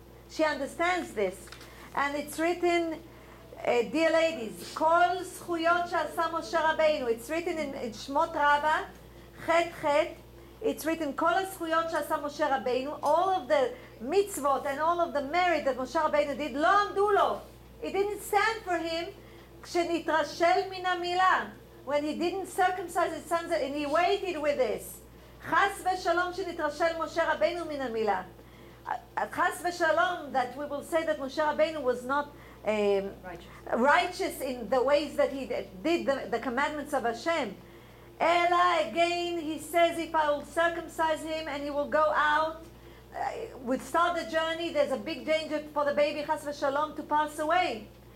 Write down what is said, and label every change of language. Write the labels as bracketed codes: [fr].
[en] She understands this. And it's written, dear ladies, [he] כל זכויות שעשה משה רבינו, [en] it's written in Shmot Rabbah, Chet Chet, it's written, [he] כל הזכויות שעשה משה רבינו, [en] all of the mitzvot and all of the merit that Moshe Rabbeinu did, [he] לא עמדו לו. [en] It didn't stand for him [he] כשנתרשל מן המילה. [en] When he didn't circumcise his sons, and he waited with this. [he] חס ושלום שנתרשל משה רבינו מן המילה. חס ושלום [en] that we will say that Moshe Rabbeinu was not righteous in the ways that he did the commandments of Hashem. Ella, again, he says, if I will circumcise him and he will go out, would start the journey, there's a big danger for the baby, chas v'shalom, to pass away.